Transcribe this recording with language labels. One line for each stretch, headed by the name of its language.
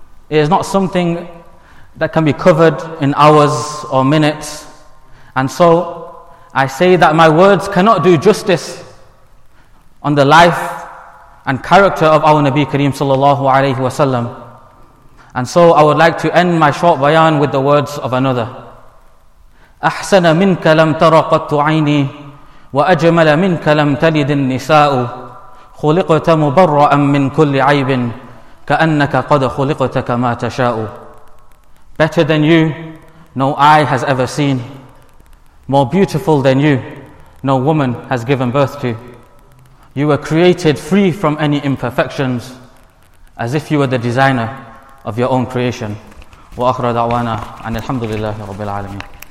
English: It is not something that can be covered in hours or minutes. And so, I say that my words cannot do justice on the life and character of our Nabi Kareem sallallahu alayhi wa sallam. And so I would like to end my short bayan with the words of another.
Arabic: أحسن منك لم تر قط عيني وأجمل منك لم تلد النساء خلقت مبرأ من كل عيب كأنك قد خلقت كما تشاء.
English: Better than you, no eye has ever seen. More beautiful than you, no woman has given birth to. You were created free from any imperfections, as if you were the designer of your own creation.
Arabic: Wa akhra da'wana an alhamdulillahi rabbil alameen.